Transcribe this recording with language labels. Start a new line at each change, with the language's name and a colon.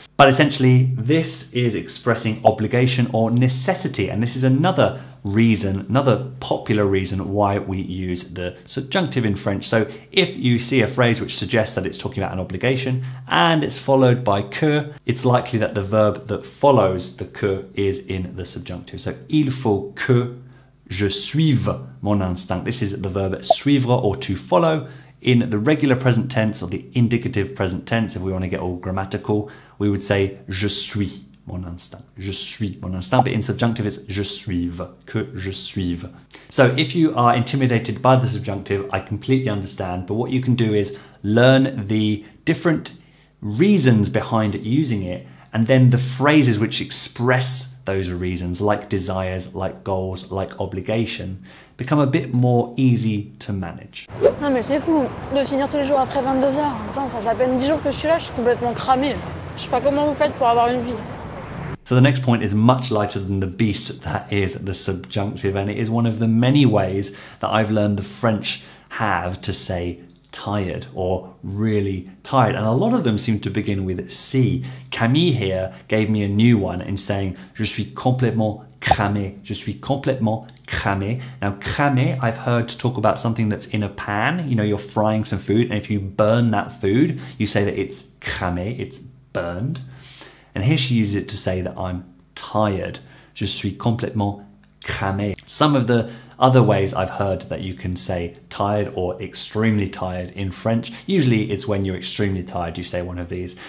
English: But essentially, this is expressing obligation or necessity, and this is another reason, another popular reason why we use the subjunctive in French. So if you see a phrase which suggests that it's talking about an obligation and it's followed by que, it's likely that the verb that follows the que is in the subjunctive.
French: So il faut que je suive mon instinct.
English: This is the verb suivre or to follow in the regular present tense or the indicative present tense. If we want to get all grammatical, we would say
French: je suis. Mon instinct, je suis mon instinct,
English: but in subjunctive it's
French: je suive, que je suive.
English: So if you are intimidated by the subjunctive, I completely understand, but what you can do is learn the different reasons behind using it and then the phrases which express those reasons, like desires, like goals, like obligation, become a bit more easy to manage.
French: Non mais c'est fou de finir tous les jours après 22h. Attends, ça fait à peine 10 jours que je suis là, je suis complètement cramé. Je sais pas comment vous faites pour avoir une vie.
English: So the next point is much lighter than the beast that is the subjunctive, and it is one of the many ways that I've learned the French have to say tired or really tired, and a lot of them seem to begin with C. Camille here gave me a new one in saying
French: je suis complètement cramé,
English: je suis complètement cramé. Now cramé, I've heard to talk about something that's in a pan, you know, you're frying some food, and if you burn that food, you say that it's cramé, it's burned. And here she uses it to say that I'm tired.
French: Je suis complètement cramé.
English: Some of the other ways I've heard that you can say tired or extremely tired in French, usually it's when you're extremely tired, you say one of these.